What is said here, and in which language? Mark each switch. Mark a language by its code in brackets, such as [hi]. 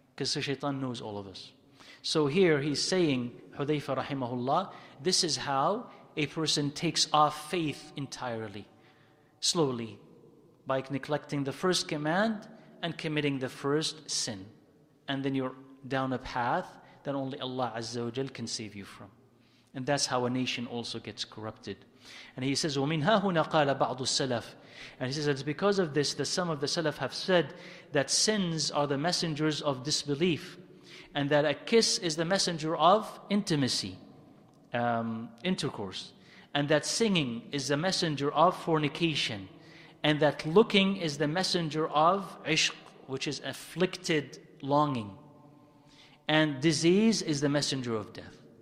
[en] Because the shaitan knows all of us. So here he's saying, Hudhayfa rahimahullah, this is how a person takes off faith entirely, slowly, by neglecting the first command and committing the first sin. And then you're down a path that only Allah Azza wa Jal can save you from. And that's how a nation also gets corrupted. And he says, [ar] وَمِنْهَا هُنَا قَالَ بَعْضُ السَّلَفِ. [en] And he says, it's because of this that some of the Salaf have said that sins are the messengers of disbelief, and that a kiss is the messenger of intimacy, intercourse, and that singing is the messenger of fornication, and that looking is the messenger of عشق, which is afflicted longing, and disease is the messenger of death.